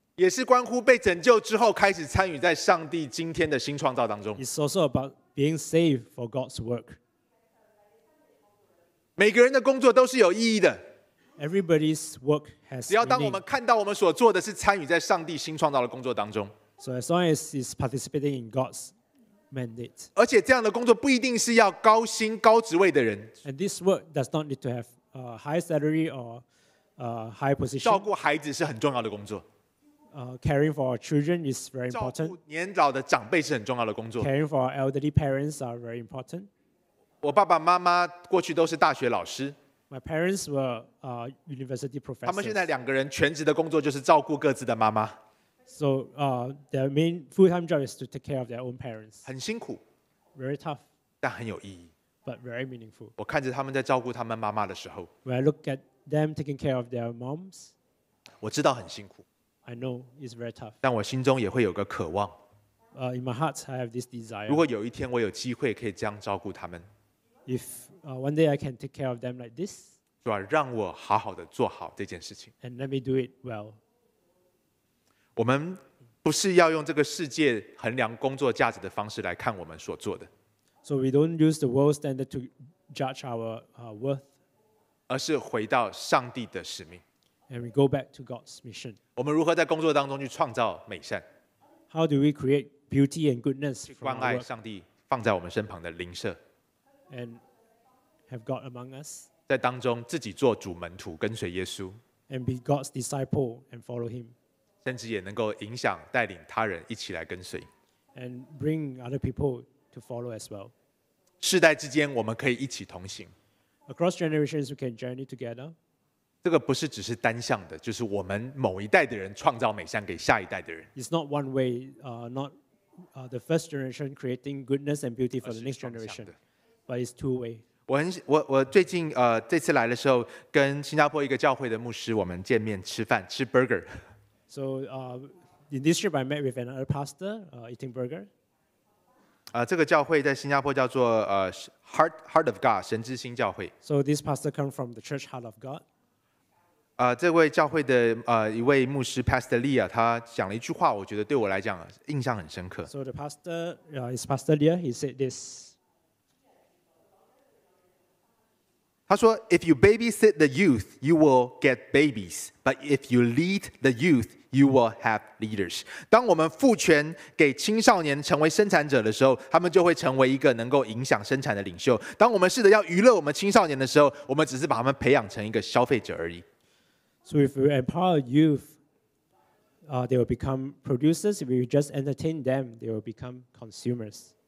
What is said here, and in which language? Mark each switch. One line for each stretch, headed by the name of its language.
Chinese: 也是关乎被拯救之后开始参与在上帝今天的新创造当中。
English: It's also about being saved for God's work.
Chinese: 每个人的工作都是有意义的。
English: Everybody's work has meaning.
Chinese: 只要当我们看到我们所做的是参与在上帝新创造的工作当中。
English: So as long as it's participating in God's mandate.
Chinese: 而且这样的工作不一定是要高薪高职位的人。
English: And this work does not need to have a high salary or a high position.
Chinese: 照顾孩子是很重要的工作。
English: Caring for our children is very important.
Chinese: 照顾年老的长辈是很重要的工作。
English: Caring for our elderly parents are very important.
Chinese: 我爸爸妈妈过去都是大学老师。
English: My parents were university professors.
Chinese: 他们现在两个人全职的工作就是照顾各自的妈妈。
English: So their main full-time job is to take care of their own parents.
Chinese: 很辛苦。
English: Very tough.
Chinese: 但很有意义。
English: But very meaningful.
Chinese: 我看着他们在照顾他们妈妈的时候。
English: When I look at them taking care of their moms.
Chinese: 我知道很辛苦。
English: I know it's very tough.
Chinese: 但我心中也会有个渴望。
English: In my heart, I have this desire.
Chinese: 如果有一天我有机会可以这样照顾他们。
English: If one day I can take care of them like this,
Chinese: 主啊，让我好好的做好这件事情。
English: And let me do it well.
Chinese: 我们不是要用这个世界衡量工作价值的方式来看我们所做的。
English: So we don't use the world standard to judge our worth.
Chinese: 而是回到上帝的使命。
English: And we go back to God's mission.
Chinese: 我们如何在工作当中去创造美善
English: ？How do we create beauty and goodness?
Chinese: 去关爱上帝放在我们身旁的邻舍。
English: And have God among us.
Chinese: 在当中自己做主门徒跟随耶稣
English: And be God's disciple and follow him.
Chinese: 甚至也能够影响带领他人一起来跟随。
English: And bring other people to follow as well.
Chinese: 世代之间我们可以一起同行。
English: Across generations we can journey together.
Chinese: 这个不是只是单向的，就是我们某一代的人创造美善给下一代的人。
English: It's not one way, not the first generation creating goodness and beauty for the next generation. But it's two way.
Chinese: 我最近这次来的时候，跟新加坡一个教会的牧师我们见面吃饭吃 burger。
English: So in this trip I met with another pastor eating burger。
Chinese: 这个教会在新加坡叫做Heart of God 神之心教会。
English: So this pastor come from the Church Heart of God。
Chinese: 这位教会的一位牧师 Pastor Lee 啊，他讲了一句话，我觉得对我来讲印象很深刻。
English: So the pastor is Pastor Lee. He said this.
Chinese: 他说
English: ：“If you babysit the youth, you will get babies. But if you lead the youth, you will have leaders.”
Chinese: 当我们赋权给青少年成为生产者的时候，他们就会成为一个能够影响生产的领袖。当我们试着要娱乐我们青少年的时候，我们只是把他们培养成一个消费者而已。
English: So if we empower youth, they will become producers. If we just entertain them, they will become consumers.